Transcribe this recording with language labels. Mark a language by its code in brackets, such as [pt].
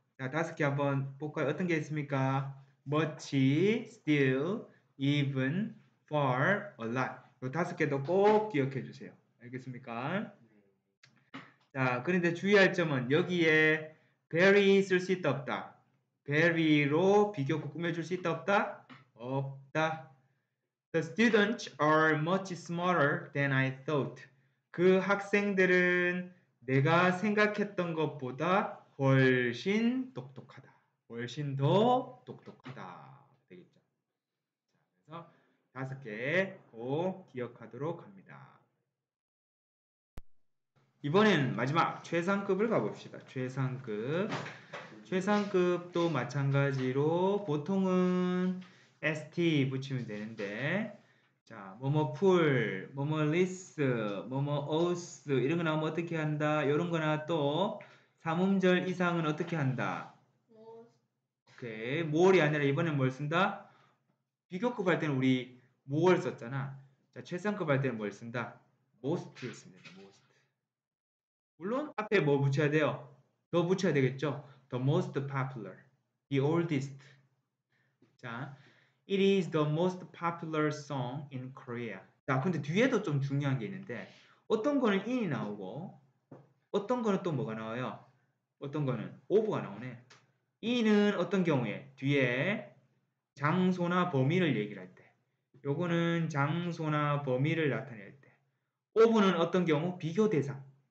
[ko] 자, 다섯 개 한번 볼까요? 어떤 게 있습니까? [en] much, still, even, far, a lot. [ko] 요 다섯 개도 꼭 기억해 주세요. 알겠습니까? 자, 그런데 주의할 점은 여기에 very 쓸 수 있다 없다. very로 비교급 꾸며 줄 수 있다 없다? 없다. [en] The students are much smaller than I thought. [ko] 그 학생들은 내가 생각했던 것보다 훨씬 똑똑하다. 훨씬 더 똑똑하다. 되겠죠. 자, 그래서 다섯 개 꼭 기억하도록 합니다. 이번엔 마지막 최상급을 가봅시다. 최상급. 최상급도 마찬가지로 보통은 ST 붙이면 되는데 자, 뭐뭐 풀, 뭐뭐 리스, 뭐뭐 어스 이런 거 나오면 어떻게 한다? 이런 거나 또 삼음절 이상은 어떻게 한다? 오케이. 뭘이 아니라 이번엔 뭘 쓴다? 비교급 할 때는 우리 뭘 썼잖아. 자, 최상급 할 때는 뭘 쓴다? most 였습니다. most. 물론 앞에 뭐 붙여야 돼요? 더 붙여야 되겠죠? [en] the most popular. the oldest. 자, it is the most popular song in Korea. [ko] 자, 근데 뒤에도 좀 중요한 게 있는데 어떤 거는 in이 나오고 어떤 거는 또 뭐가 나와요? 어떤 거는 of가 나오네. in은 어떤 경우에? 뒤에 장소나 범위를 얘기를 할 때. 요거는 장소나 범위를 나타낼 때. of는 어떤 경우? 비교 대상.